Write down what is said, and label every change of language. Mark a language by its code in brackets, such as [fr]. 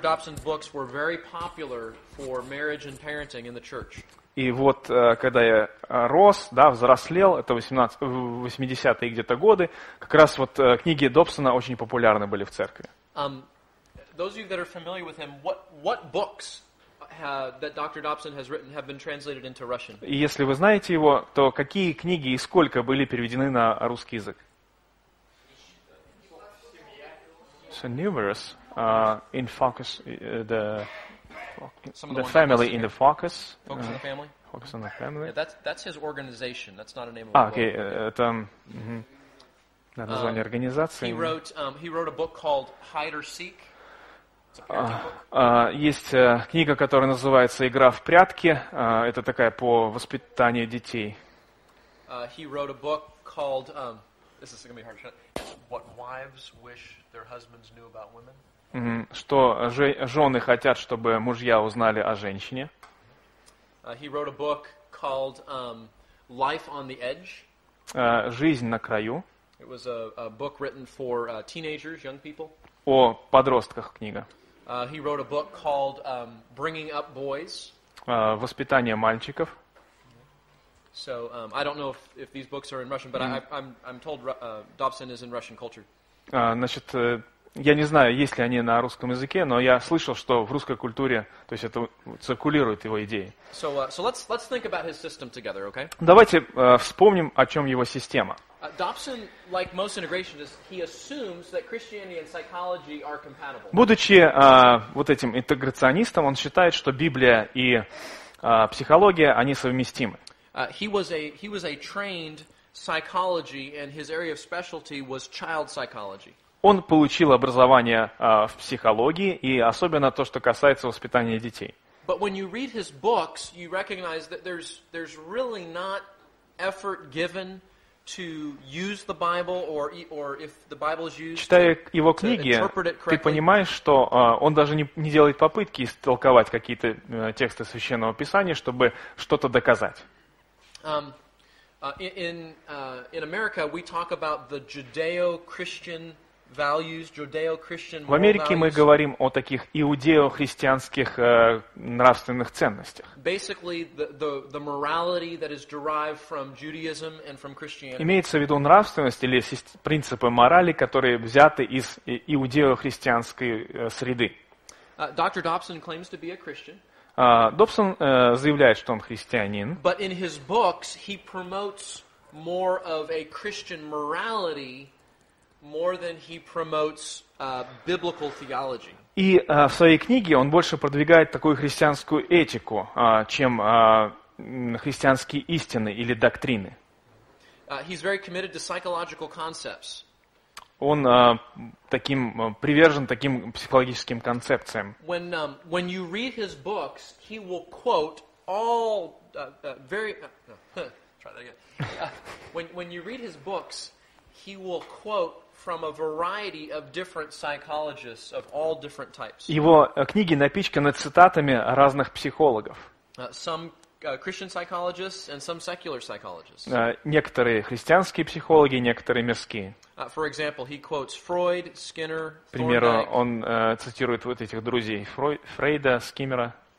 [en] Dobson's books were very popular for marriage and parenting in the church. [ru] И вот когда я рос, да, взрослел, это 80-е где-то годы, как раз вот книги Добсона очень популярны были в церкви. [en] Those of you that are familiar with him, what books that Dr. Dobson has written have been translated into Russian? [ru] Если вы знаете его, то какие книги и сколько были переведены на русский язык? [en] So numerous. In focus, the family in the focus. Focus on the family. Focus on the family. Yeah, that's his organization. That's not a name of a book. [ru] Okay, это название организации. [en] He wrote a book called Hide or Seek. [ru] Есть книга, которая называется «Игра в прятки». Это такая по воспитанию детей. [en] He wrote a book called this is gonna be hard. What wives wish their husbands knew about women? [ru] Что жены хотят, чтобы мужья узнали о женщине? [en] He wrote a book called Life on the Edge. [ru] Жизнь на краю. [en] It was a book written for teenagers, young people. [ru] О подростках книга. [en] He wrote a book called Bringing Up Boys. [ru] Воспитание мальчиков. [en] So I don't know if these books are in Russian, but I'm told Dobson is in Russian culture. [ru] Значит, я не знаю, есть ли они на русском языке, но я слышал, что в русской культуре, то есть это циркулирует его идеи. [en] So let's think about his system together, okay? [ru] Давайте вспомним, о чем его система. [en] Dobson, like most integrationists, he assumes that Christianity and psychology are compatible. [ru] Будучи вот этим интеграционистом, он считает, что Библия и психология, они совместимы. [en] He was a trained psychology, and his area of specialty was child psychology. [ru] Он получил образование в психологии, и особенно то, что касается воспитания детей. [en] But when you read his books, you recognize that there's really not effort given to use the Bible or if the Bible is used. [ru] Читая его книги, ты понимаешь, что он даже не делает попытки истолковать какие-то тексты Священного Писания, чтобы что-то доказать. [en] In America we talk about the Judeo-Christian values, Judeo-Christian moral [ru] values. В Америке мы говорим о таких иудео-христианских нравственных ценностях. [en] Basically, the morality that is derived from Judaism and from Christianity. [ru] Имеется в виду нравственность или принципы морали, которые взяты из иудео-христианской среды. [en] Dr. Dobson claims to be a Christian. [ru] Добсон заявляет, что он христианин. [en] But in his books he promotes more of a Christian morality more than he promotes biblical theology. [ru] И в своей книге он больше продвигает такую христианскую этику, чем христианские истины или доктрины. [en] He's very committed to psychological concepts. [ru] Он таким привержен таким психологическим концепциям. [en] When when you read his books, he will quote all very. Try that again. When you read his books, he will quote from a variety of different psychologists of all different types. [ru] Его книги напичканы цитатами разных психологов. [en] Some Christian psychologists and some secular psychologists. [ru] Некоторые христианские психологи, некоторые мирские. [en] For example, he quotes Freud, Skinner, Thorndike. [ru] К примеру, он цитирует вот этих друзей Фрейда, Скиннера,